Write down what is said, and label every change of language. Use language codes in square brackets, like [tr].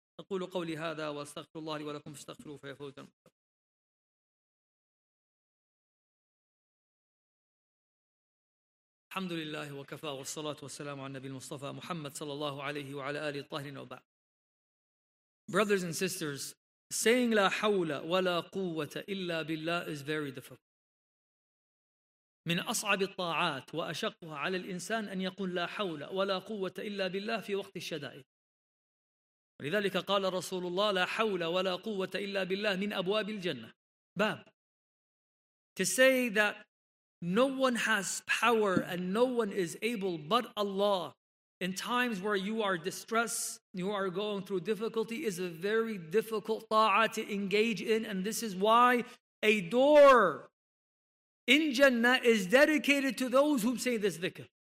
[ar] أَقُولُ قَوْلِ هَذَا وَاسْتَغْفِرُ اللَّهِ لِي وَلَكُمْ فَاسْتَغْفِرُوهُ فَهُوَ الْغَفُورُ الرَّحِيمُ الحمد لله وكفى والصلاة والسلام على النبي المصطفى محمد صلى الله عليه وعلى آله الطاهرين وبعد. [en] Brothers and sisters, saying [ar] لا حول ولا قوة إلا بالله [en] is very difficult. [ar] من أصعب الطاعات وأشقها على الإنسان أن يقول لا حول ولا قوة إلا بالله في وقت الشدائد. ولذلك قال رسول الله لا حول ولا قوة إلا بالله من أبواب الجنة. باب. [en] To say that no one has power and no one is able but Allah in times where you are distressed, you are going through difficulty, is a very difficult ta'ah to engage in. And this is why a door in Jannah is dedicated to those who say this dhikr.